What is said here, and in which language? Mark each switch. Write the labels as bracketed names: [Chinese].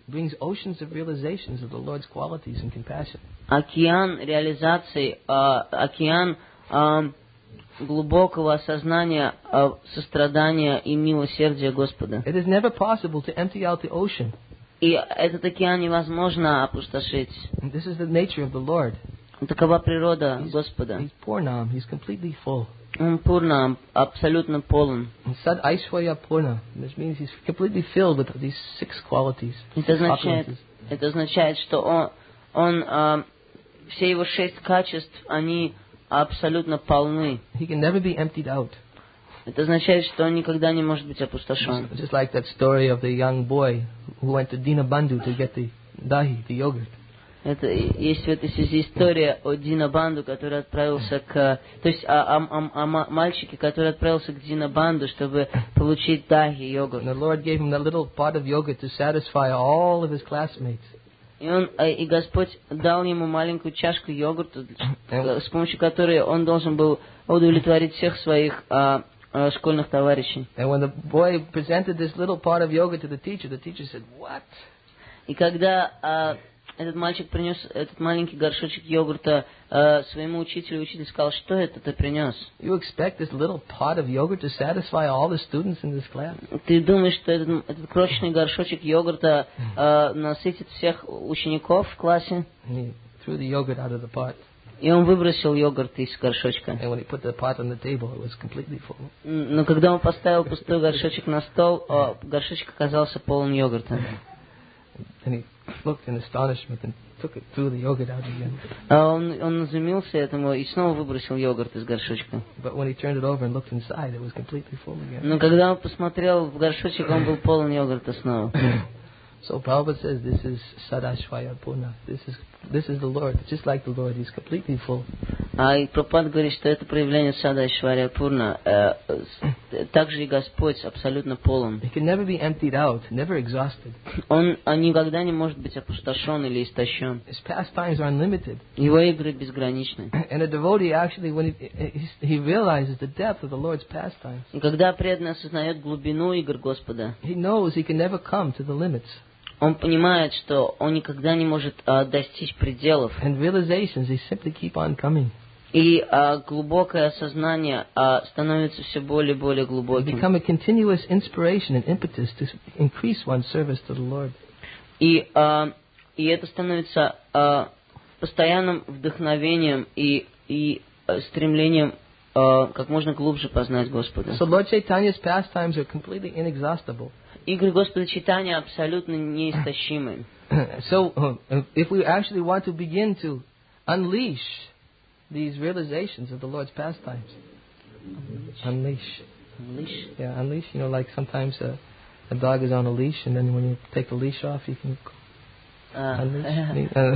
[English] Brings oceans of realizations of the Lord's qualities and compassion. [Russian] Океан реализации, океан глубокого осознания сострадания и милосердия Господа. [English] It is never possible to empty out the ocean. [Russian] И этот океан невозможно опустошить. [English] This is the nature of the Lord. [Russian] Такова природа Господа. [English] He's Purnam. He's completely full. [Russian] Он Пурнам, абсолютно полон. [English] He said Aishwarya Purnam, which means he's completely filled with these six qualities. [Russian] Это означает, что он все его шесть качеств, они абсолютно полны. [English] He can never be emptied out. [Russian] Это означает, что он никогда не может быть опустошен. [English] Just like that story of the young boy who went to Dinabandhu to get the dahi, the yogurt. [Russian] Это есть в этой связи история о Динабанду, который отправился к, то есть о мальчике, который отправился к Динабанду, чтобы получить дахи, йогурт. [English] And the Lord gave him that little pot of yogurt to satisfy all of his classmates. [Russian] И Господь дал ему маленькую чашку йогурта, с помощью которой он должен был удовлетворить всех своих школьных товарищей. [English] And when the boy presented this little pot of yogurt to the teacher said, "What?" [Russian] И когда этот мальчик принес этот маленький горшочек йогурта своему учителю. Учитель сказал, что это ты принес? [English] You expect this little pot of yogurt to satisfy all the students in this class? [Russian] Ты думаешь, что этот крошечный горшочек йогурта насытит всех учеников в классе? [English] And he threw the yogurt out of the pot. [Russian] И он выбросил йогурт из горшочка. [English] And when he put the pot on the table, it was completely full. [Russian] Но когда он поставил пустой горшочек на стол, горшочек оказался полон йогурта. [English] And he looked in astonishment and took it, threw the yogurt out again. [Russian] Он изумился этому и снова выбросил йогурт из горшочка. [English] But when he turned it over and looked inside, it was completely full again. [Russian] Но когда он посмотрел в горшочек, он был полон йогурта снова. [English] So Prabhupada says, "This is Sadashvaya Puna. This is the Lord. Just like the Lord, He's completely full." [Russian] И Прабхупада говорит, что это проявление Садашвая Пурна. Также и Господь абсолютно полон. [English] He can never be emptied out, never exhausted. [Russian] Он никогда не может быть опустошен или истощен. [English] His pastimes are unlimited. [Russian] Его игры безграничны. [English] And a devotee actually, when he realizes the depth of the Lord's pastimes. [Russian] И когда преданный осознает глубину игр Господа. [English] He knows he can never come to the limits. [Russian] Он понимает, что он никогда не может достичь пределов. [English] And realizations, they simply keep on coming. [Russian] И глубокое осознание становится все более и более глубоким. [English] Become a continuous inspiration and impetus to increase one's service to the Lord. [Russian] И это становится постоянным вдохновением и стремлением как можно глубже познать Господа. [English] So Lord Chaitanya's pastimes are completely inexhaustible. [Russian] Игры Господа Чайтанья абсолютно неистощимы. [English] So, if we actually want to begin to unleash these realizations of the Lord's pastimes. Unleash. Unleash? Yeah, unleash. You know, like sometimes a dog is on a leash, and then when you take the leash off, you can unleash.